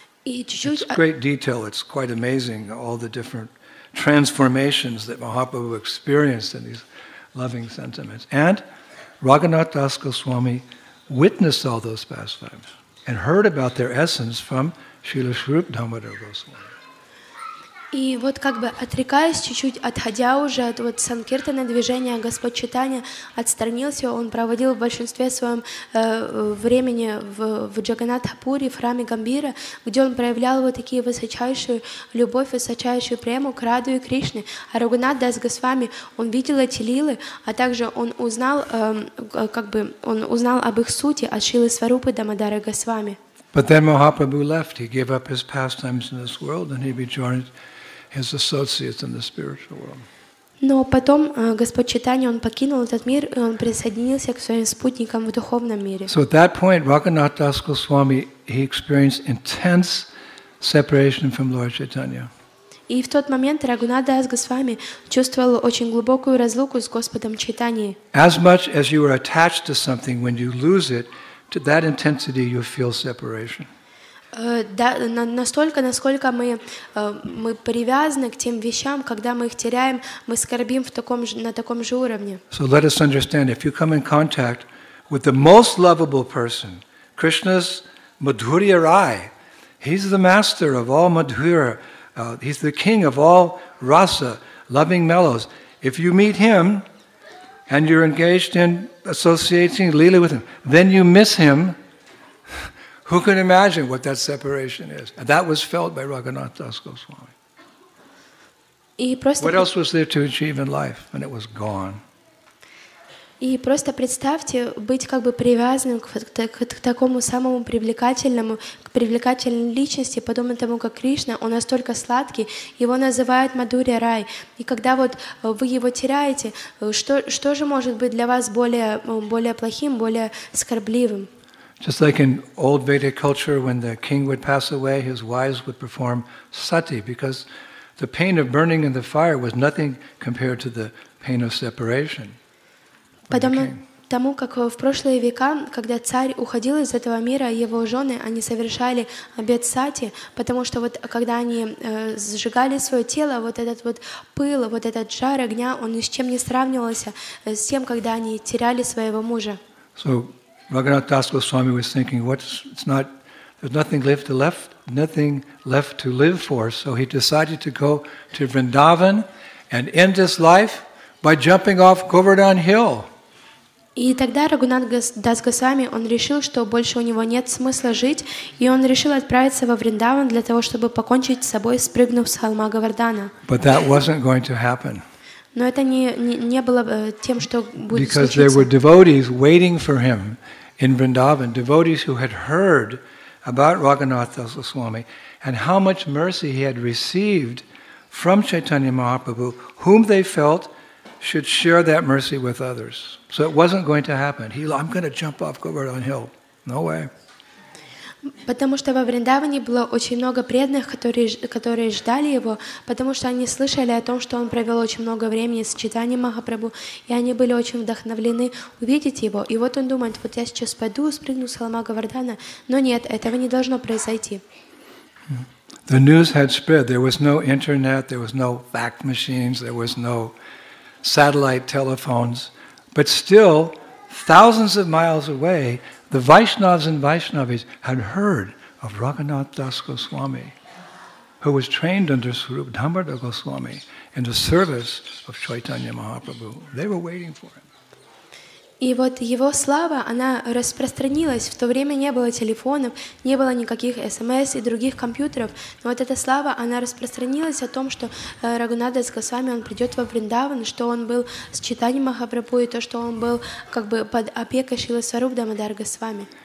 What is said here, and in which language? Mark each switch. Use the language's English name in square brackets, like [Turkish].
[English] It's great detail, it's quite amazing, all the different transformations that Mahaprabhu experienced in these loving sentiments. And Raghunath Das Goswami witnessed all those pastimes and heard about their essence from Srila Swarup Damodar Goswami. [Russian] И вот как бы отрекаясь чуть-чуть, отходя уже от вот санкиртана движения, Господь Чайтанья отстранился, он проводил в большинстве своем времени в Джаганнатхапуре, в храме Гамбира, где он проявлял вот такие высочайшую любовь, высочайшую прему к Раду и Кришне. А Рагхунатх Дас Госвами, он видел эти лилы, а также он узнал, он узнал об их сути, от Шрилы Сварупы Дамодары Госвами. [English] But then Mahaprabhu left. He gave up his pastimes in this world and he rejoined his associates in the spiritual world. [Russian] Но потом Господь Чайтанья он покинул этот мир и он присоединился к своим спутникам в духовном мире. [English] So at that point, Raghunath Das Goswami, he experienced intense separation from Lord Chaitanya. [Russian] И в тот момент Рагхунатх Дас Госвами чувствовал очень глубокую разлуку с Господом Чайтаньей. [English] As much as you are attached to something, when you lose it, to that intensity, you feel separation. [Russian] настолько, насколько мы привязаны к тем вещам, когда мы их теряем, мы скорбим на таком же уровне. [English] So let us understand, if you come in contact with the most lovable person, Krishna's Madhurya Rai, he's the master of all Madhura, he's the king of all rasa, loving mellows. If you meet him and you're engaged in associating Leela with him, then you miss him. Who can imagine what that separation is? And that was felt by Raghunath Das Goswami. What else was there to achieve in life? And it was gone. [Russian] И просто представьте быть как бы привязанным к такому самому привлекательному, к привлекательной личности, подобно тому, как Кришна, он настолько сладкий, его называют Мадхурья Рай. И когда вот вы его теряете, что же может быть для вас более плохим, более скорбливым? [English] Just like in old Vedic culture, when the king would pass away, his wives would perform sati, because the pain of burning in the fire was nothing compared to the pain of separation. [Russian] Подобно тому, как в прошлые века, когда царь уходил из этого мира, его жены, они совершали обет сати, потому что вот когда они сжигали свое тело, вот этот вот пыл, вот этот жар огня, он ни с чем не сравнивался с тем, когда они теряли своего мужа. [English] So Raghunath Das Goswami was thinking, there's nothing left to live for. So he decided to go to Vrindavan and end his life by jumping off Govardhan Hill. [Russian] И тогда Рагунатх Дас Госвами, он решил, что больше у него нет смысла жить, и он решил отправиться во Вриндаван для того, чтобы покончить с собой, спрыгнув с холма Говардана. [English] But that wasn't going to happen. [Russian] Но это не было тем, что будет [English] Because [Russian] случиться. [English] Because there were devotees waiting for him in Vrindavan, devotees who had heard about Raghunath Das Goswami and how much mercy he had received from Chaitanya Mahaprabhu, whom they felt should share that mercy with others. So it wasn't going to happen. I'm going to jump off Govardhan Hill. No way. [Russian] Потому что во Вриндаване было очень много преданных, которые ждали его, потому что они слышали о том, что он провел очень много времени с читанием Махапрабху, и они были очень вдохновлены увидеть его. И вот он думает, вот я сейчас пойду, спрыгну с холма Говардана. Но нет, этого не должно произойти. [English] The news had spread. There was no internet, there was no fax machines, there was no satellite telephones, but still, thousands of miles away, the Vaishnavas and Vaishnavis had heard of Raghunath Das Goswami, who was trained under Swarup Dhammada Goswami in the service of Chaitanya Mahaprabhu. They were waiting for him. [Russian] И вот его слава, она распространилась. В то время не было телефонов, не было никаких СМС и других компьютеров. Но вот эта слава, она распространилась о том, что Рагунат Дас Госвами, он придет во Вриндаван, что он был с читанием Махапрабху, и то, что он был как бы под опекой Шрилы Сварупа Дамодара Госвами.